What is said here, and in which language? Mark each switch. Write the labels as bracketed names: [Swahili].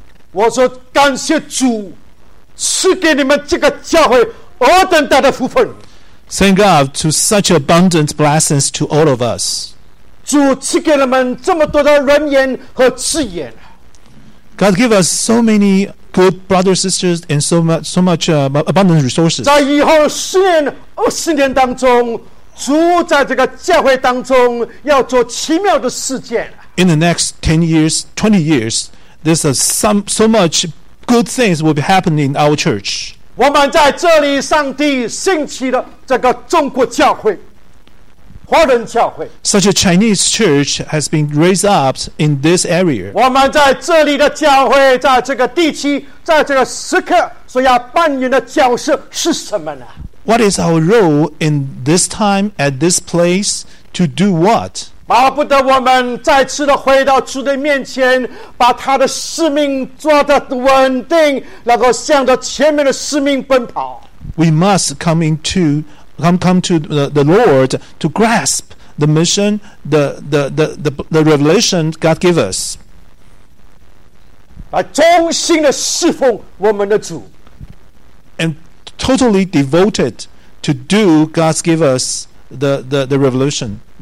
[Chinese] 我说感谢主赐给你们这个教会何等大的福分。 [English] Thank God to such abundant blessings to all of us. [Chinese] 主赐给你们这么多的人言和智言。 [English] God give us so many. Good brothers, sisters, and so much abundant resources. [Chinese] 在以后十年、二十年当中，主在这个教会当中要做奇妙的事件。 [English] In the next 10 years, 20 years, there's so much good things will be happening in our church. [Chinese] 我们在这里，上帝兴起的这个中国教会，华人教会。 [English] Such a Chinese church has been raised up in this area. [Chinese] 我们在这里的教会，在这个地区，在这个时刻所要扮演的角色是什么呢？ [English] What is our role in this time at this place to do what? [Chinese] 巴不得我们再次的回到主的面前，把他的使命做得稳定，然后向着前面的使命奔跑。 [English] We must come to the Lord to grasp the mission, the revelation God gave us. And totally devoted to do God's give us the revolution.